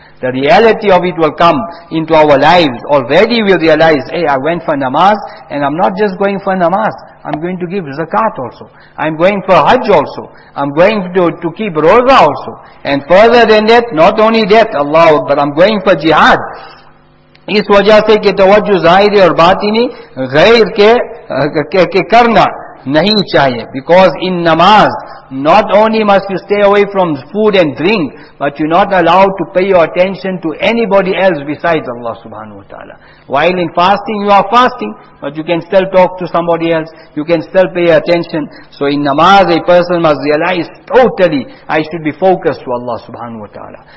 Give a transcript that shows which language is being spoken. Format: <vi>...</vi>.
<en>The reality of it will come into our lives. Already we realize, hey, I went for namaz, and I'm not just going for namaz. I'm going to give zakat also. I'm going for hajj also. I'm going to keep roza also. And further than that, not only that, Allah, but I'm going for jihad.</en> <ur>اس وجہ سے کہ توجہ ظاہری اور باطنی غیر کے کرنا نہیں چاہیے.</ur> <en>Because in namaz, not only must you stay away from food and drink, but you're not allowed to pay your attention to anybody else besides Allah subhanahu wa ta'ala. While in fasting, you are fasting, but you can still talk to somebody else, you can still pay attention. So in namaz, a person must realize totally, I should be focused to Allah subhanahu wa ta'ala.</en>